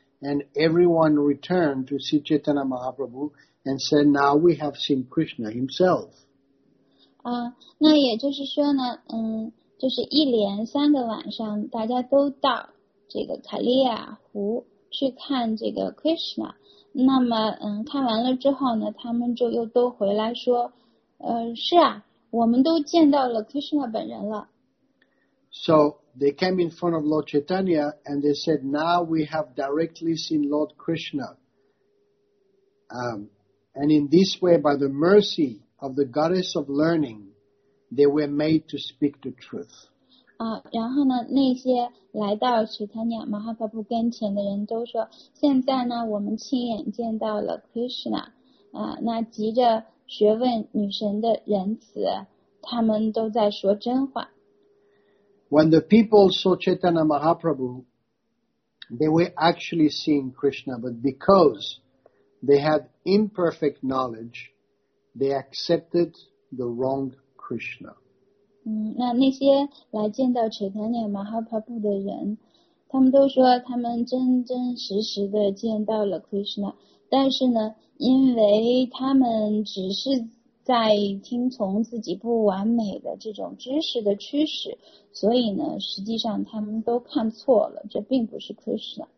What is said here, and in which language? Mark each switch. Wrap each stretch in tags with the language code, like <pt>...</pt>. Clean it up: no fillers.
<en>And everyone returned to see Chaitanya Mahaprabhu and said, now we have seen Krishna himself.</en> <zh>那也就是说呢，就是一连三个晚上大家都到这个卡利亚湖去看这个 Krishna。那么看完了之后呢，他们就又都回来说，是啊，我们都见到了 Krishna 本人了。</zh> <en>So,They came in front of Lord Chaitanya and they said, now we have directly seen Lord Krishna. And in this way, by the mercy of the goddess of learning, they were made to speak the truth.</en> <zh>然后呢，那些来到 Chaitanya Mahaprabhu 跟前的人都说，现在呢，我们亲眼见到了 Krishna. 那急着学问女神的仁慈，他们都在说真话。</zh> <en>When the people saw Chaitanya Mahaprabhu, they were actually seeing Krishna, but because they had imperfect knowledge, they accepted the wrong Krishna.</en> <zh>那些来见到 Chaitanya Mahaprabhu 的人，他们都说他们真真实实的见到了 Krishna， 但是呢，因为他们只是在听从自己不完美的这种知识的驱使，所以呢，实际上他们都看错了，这并不是 Krishna。</zh>